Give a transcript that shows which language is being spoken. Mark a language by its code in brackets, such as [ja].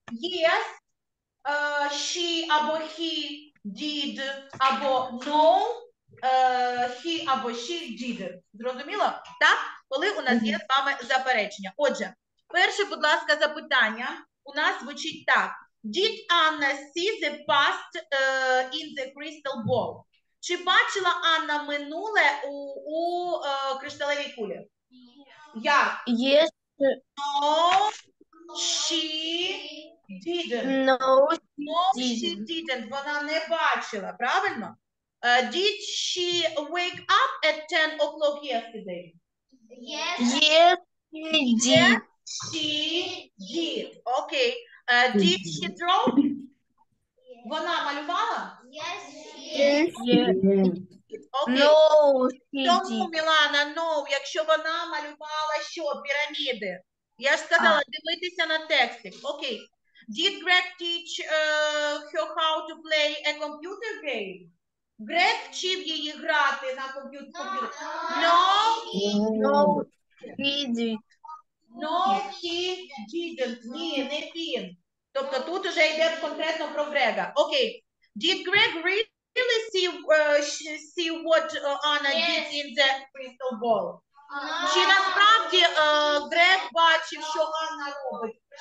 [en] Yes, she або he did, або no, he або she did. [uk] Зрозуміло? Так? Коли у нас є з вами заперечення. Отже, перше, будь ласка, запитання у нас звучить так. [en] Did Anna see the past in the crystal ball? [uk] Чи бачила Анна минуле у кришталевій кулі? Як? [en] Yes. No, she didn't. No, she didn't. [uk] Вона не бачила, правильно? [en] Did she wake up at 10 o'clock yesterday? Yes, she did. Yes, she did. Okay. Did she draw? [uk] Вона малювала? [en] Yes, yes. Okay. No, [uk] тому, Мілана, no, якщо вона малювала що? Піраміди. Я ж сказала, дивитися на текстик. [en] Окей. Okay. Did Greg teach her how to play a computer game? [uk] Greg вчив її грати на комп'ютері? [en] No, no, he didn't. No, he didn't. [uk] Ні, не він. Тобто тут вже йде конкретно про Грега. [en] Окей. Okay. Did Greg read? Really see what Anna did in the crystal ball? [uk] Чи насправді Грег бачив, що Анна робить?